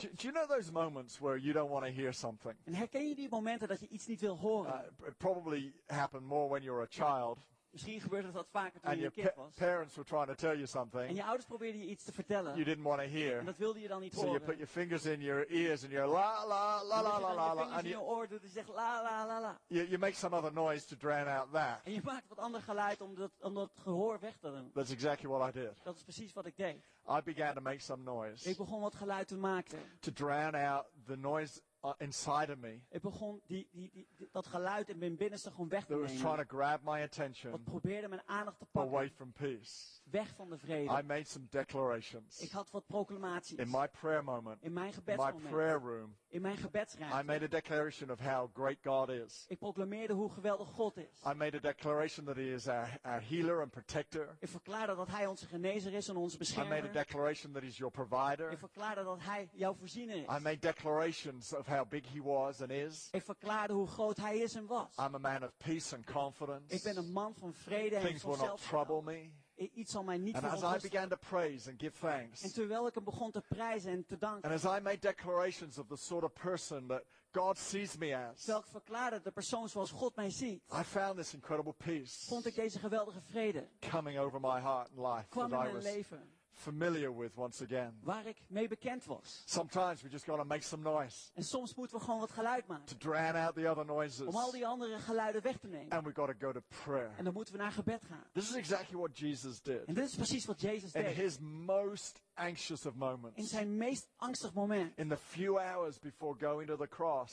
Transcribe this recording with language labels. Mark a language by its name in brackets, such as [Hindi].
[English] Do you know those moments where you don't want to hear something? [Dutch] En herken je die momenten dat je iets niet wil horen? [English] It probably happened more when you're a child. [Dutch] Misschien gebeurde dat vaker toen [English] and [Dutch] je kind was. [English] Parents were trying to tell you something. [Dutch] En je ouders probeerden je iets te vertellen. [English] You didn't want to hear. [Dutch] En dat wilde je dan niet [English] so [Dutch] horen. [English] So you put your fingers in your ears and you're la la la la la la. [Dutch] En je oor doet en zegt la la la la. [English] You make some other noise to drown out that. [Dutch] En je maakt wat ander geluid om dat gehoor weg te doen. [English] That's exactly what I did. [Dutch] Dat is precies wat ik deed. [English] I began to make some noise. [Dutch] Ik begon wat geluid te maken. [English] To drown out the noise. Inside of me. [Dutch] Ik begon dat geluid in mijn binnenste gewoon weg te nemen. [English] That was trying to grab my attention. [Dutch] Wat probeerde mijn aandacht te pakken. [English] Away from peace. [Dutch] Weg van de vrede. [English] I made some declarations. [Dutch] Ik had wat proclamaties. [English] In my prayer moment. [Dutch] In mijn gebedsmoment. [English] My prayer room. [Dutch] In mijn gebedsruimte. [English] I made a declaration of how great God is. [Dutch] Ik proclameerde hoe geweldig God is. [English] I made a declaration that He is our healer and protector. [Dutch] Ik verklaarde dat Hij onze genezer is en onze beschermer. [English] I made a declaration that He's your provider. [Dutch] Ik verklaarde dat Hij jouw voorziener is. [English] I made declarations of how big He was and is. [Dutch] Ik verklaarde hoe groot Hij is en was. [English] I'm a man of peace and confidence. [Dutch] Ik ben een man van vrede en van zelfvertrouwen. [English] Things will not trouble me. [Dutch] iets zal mij niet verontrusten. [English] And as I began to praise and give thanks. [Dutch] En terwijl ik hem begon te prijzen en te danken. [English] And as I made declarations of the sort of person that God sees me as. [Dutch] Terwijl ik verklaarde de persoon zoals God mij ziet. [English] I found this incredible peace. [Dutch] Vond ik deze geweldige vrede. [English] Coming over my heart and life. [Dutch] Kwam in mijn leven. [English] Familiar with once again. [Dutch] Waar ik mee bekend was. [English] Sometimes we just gotta make some noise. [Dutch] En soms moeten we gewoon wat geluid maken. [English] To drown out the other noises. [Dutch] Om al die andere geluiden weg te nemen. [English] And we gotta go to prayer. [Dutch] En dan moeten we naar gebed gaan. [English] This is exactly what Jesus did. [Dutch] En dit is precies wat Jezus deed. [English] In his most anxious of moments. [Dutch] In zijn meest angstig moment. [English] In the few hours before going to the cross.